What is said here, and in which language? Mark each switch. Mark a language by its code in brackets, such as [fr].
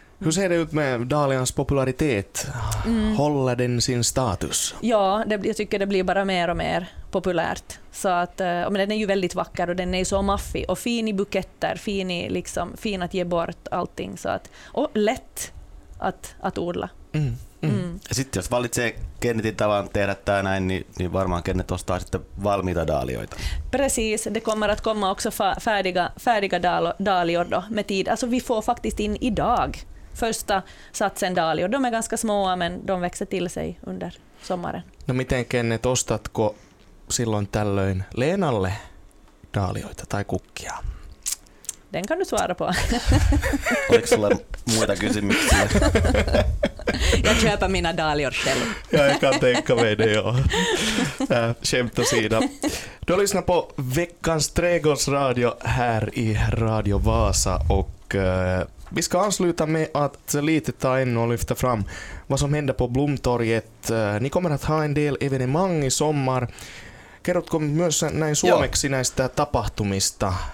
[sv] Hur ser det ut med dahlians popularitet? Håller den sin status? Ja, jag tycker det blir bara mer och mer populärt. Så att, men den är ju väldigt vacker, och den är så maffig och fin i buketter, fin att ge bort allting, så att, och lätt att odla. [fi] Sitten jos valitsee Kennetin tavan tehdä tämä näin, niin varmaan Kennet ostaa sitten valmiita daalioita. [sv] Precis, det kommer att komma också färdiga daalior då med tid. Alltså vi får faktiskt in idag första satsen daalior. De är ganska små, men de växer till sig under sommaren. [fi] No miten, Kennet, ostatko silloin tällöin Leenalle daalioita tai kukkia? [sv] Den kan du svara på. [fi] Oliko sulla muita kysymyksiä? [sv] Jag köper mina dahlior själv. Jag kan tänka mig det, ja. Kämpta sida. Du lyssnar på veckans trädgårdsradio här i Radio Vasa. Och vi ska ansluta med att lite ta in och lyfta fram vad som händer på Blomtorget. Ni kommer att ha en del evenemang i sommar. [fi] Kerrotko myös näin suomeksi näistä tapahtumista?